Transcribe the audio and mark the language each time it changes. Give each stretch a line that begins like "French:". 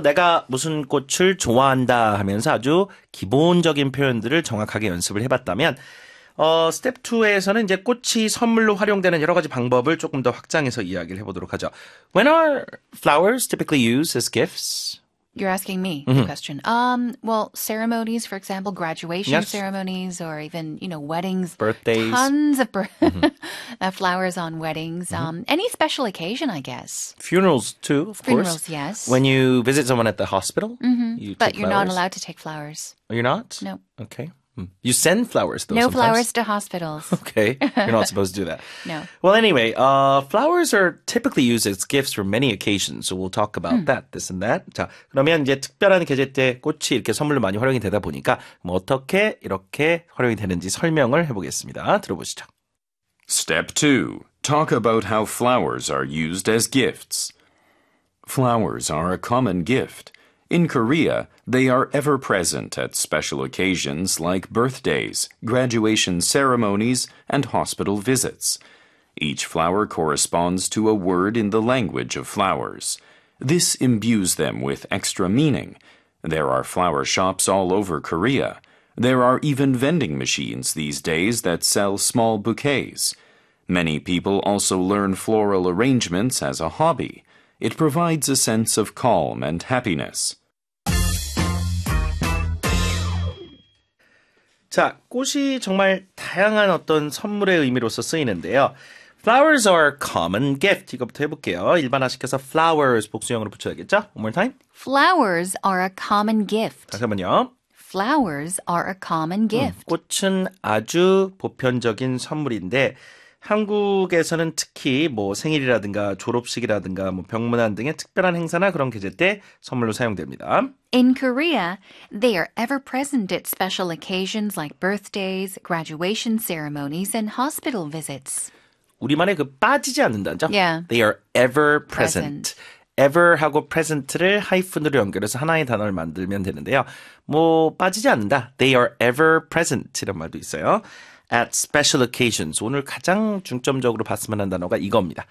Korean: 내가 무슨 꽃을 좋아한다 하면서 아주 기본적인 표현들을 정확하게 연습을 해봤다면, Step 2에서는 이제 꽃이 선물로 활용되는 여러 가지 방법을 조금 더 확장해서 이야기를 해보도록 하죠.
English: When are flowers typically used as gifts? You're asking me the question. Well, ceremonies, for example, graduation ceremonies, or even, you know, weddings. Birthdays. Tons of flowers on weddings. Any special occasion, I guess. Funerals, too, of Funerals, course. Funerals, yes. When you visit someone at the hospital, you take flowers. But you're not allowed to take flowers. Oh, you're not? No. Okay. You send flowers, though, No sometimes. Flowers to hospitals. Okay. You're not supposed to do that. No. Well, anyway, flowers are typically used as gifts for many occasions, so we'll talk about that, this and that.
Korean: 자, 그러면 이제 특별한 계절 때 꽃이 이렇게 선물로 많이 활용이 되다 보니까 뭐 어떻게 이렇게 활용이 되는지 설명을 해보겠습니다. 들어보시죠.
English: Step 2. Talk about how flowers are used as gifts. Flowers are a common gift. In Korea, they are ever-present at special occasions like birthdays, graduation ceremonies, and hospital visits. Each flower corresponds to a word in the language of flowers. This imbues them with extra meaning. There are flower shops all over Korea. There are even vending machines these days that sell small bouquets. Many people also learn floral arrangements as a hobby. It provides a sense of calm and happiness.
Korean: 자, 꽃이 정말 다양한 어떤 선물의 의미로서 쓰이는데요.
English: Flowers are common gift.
Korean: 이거부터 해볼게요. 일반화시켜서 flowers 복수형으로 붙여야겠죠?
English: One more time. Flowers are a common gift.
Korean: 다시 한번요.
English: Flowers are a common gift.
Korean: 꽃은 아주 보편적인 선물인데 한국에서는 특히 뭐 생일이라든가 졸업식이라든가 뭐 병문안 등의 특별한 행사나 그런 계절 때 선물로 사용됩니다.
English: In Korea, they are ever present at special occasions like birthdays, graduation ceremonies, and hospital visits.
Korean: 우리말에 그 빠지지 않는다죠?
English: Yeah. They are ever present.
Korean: Ever 하고 present를 hyphen으로 연결해서 하나의 단어를 만들면 되는데요. 뭐 빠지지 않는다.
English: They are ever present
Korean: 이런 말도 있어요.
English: At special occasions.
Korean: 오늘 가장 중점적으로 봤으면 하는 단어가 이겁니다.